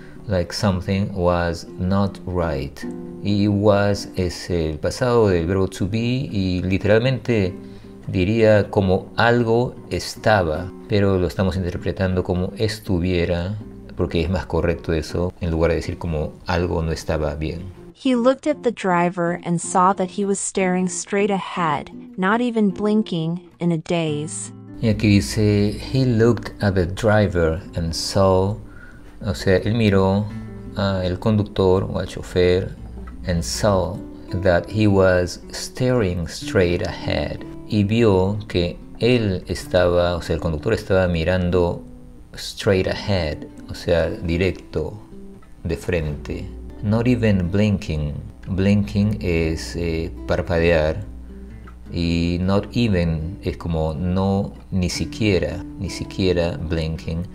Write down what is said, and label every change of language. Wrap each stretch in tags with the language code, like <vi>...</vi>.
<en>Like something was not right.</en> <es>Y was es el pasado del verbo to be y literalmente diría como algo estaba, pero lo estamos interpretando como estuviera, porque es más correcto eso, en lugar de decir como algo no estaba bien.</es> <en>He looked at the driver and saw that he was staring straight ahead, not even blinking, in a daze.</en> <es>Y aquí dice,</es> <en>he looked at the driver and saw,</en> <es>o sea, él miró al conductor o al chofer,</es> <en>and saw that he was staring straight ahead.</en> <es>Y vio que él estaba, o sea, el conductor estaba mirando</es> <en>straight ahead,</en> <es>o sea, directo, de frente.</es> <en>Not even blinking. Blinking</en> <es>es parpadear. Y not even es como no, ni siquiera blinking.</es>